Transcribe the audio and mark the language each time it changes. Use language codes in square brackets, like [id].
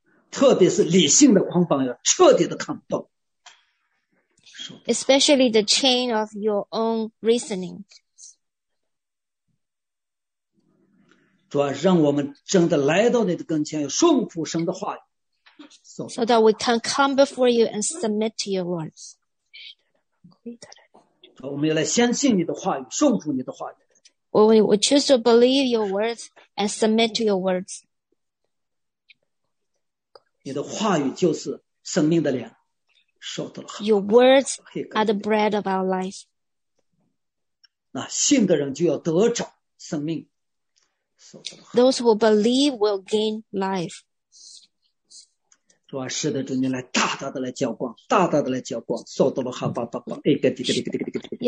[zh] 特别是理性的捆绑要彻底的扛断。 [en] Especially the chain of your own reasoning. [zh] 主啊，让我们真的来到你的跟前，顺服神的话语。 [en] So that we can come before you and submit to your word. [zh] 主啊，我们要来相信你的话语，顺服你的话语。 [en] We choose to believe your words and submit to your words. [zh] 你的话语就是生命的粮，受到了好。 [en] Your words are the bread of our life. [zh] 那信的人就要得着生命。 [en] Those who believe will gain life. [zh] 主啊，是的，主，你来大大的来浇灌，大大的来浇灌，受到了哈巴巴巴，哎，个滴个滴个滴个滴个滴。